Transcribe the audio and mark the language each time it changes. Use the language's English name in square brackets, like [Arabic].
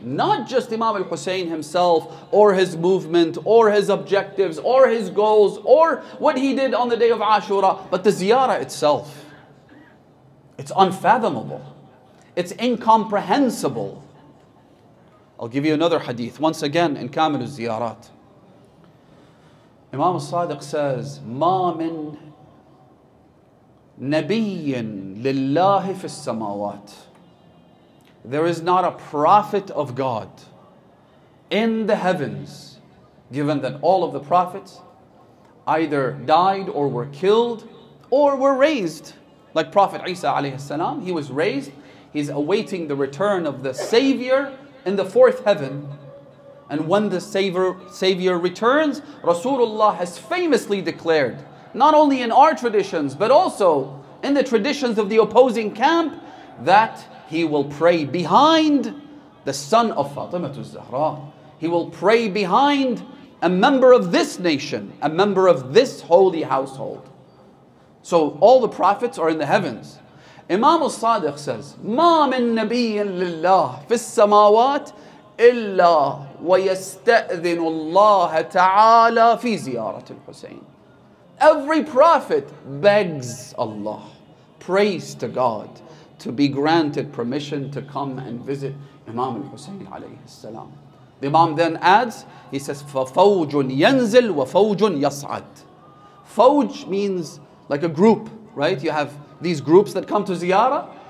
[English] Not just Imam al-Hussein himself, or his movement, or his objectives, or his goals, or what he did on the day of Ashura, but the ziyarah itself. It's unfathomable. It's incomprehensible. I'll give you another hadith, once again, in Kamil al-Ziyarat. Imam al-Sadiq says, [Arabic] مَا مِن نَبِيٍ لِلَّهِ فِي السَّمَاوَاتِ. [English] There is not a prophet of God in the heavens, given that all of the prophets either died or were killed or were raised. Like Prophet Isa alayhi salam, he was raised. He's awaiting the return of the Savior in the fourth heaven. And when the Savior returns, Rasulullah has famously declared, not only in our traditions, but also in the traditions of the opposing camp, that he will pray behind the son of Fatima al-Zahra. He will pray behind a member of this nation, a member of this holy household. So all the prophets are in the heavens. Imam al-Sadiq says, [Arabic] مَا مِن نَبِيٍ لِلَّهِ فِي السَّمَاوَاتِ إِلَّا وَيَسْتَأْذِنُ اللَّهَ تَعَالَى فِي زِيَارَةِ الْحُسَيْنِ. [English] Every prophet begs Allah, prays to God, to be granted permission to come and visit Imam al-Hussein alayhi salam. The Imam then adds, he says, [Arabic] فَفَوْجٌ يَنْزِلْ وَفَوْجٌ يَصْعَدْ. [English] Fawj means like a group, right? You have these groups that come to ziyarah.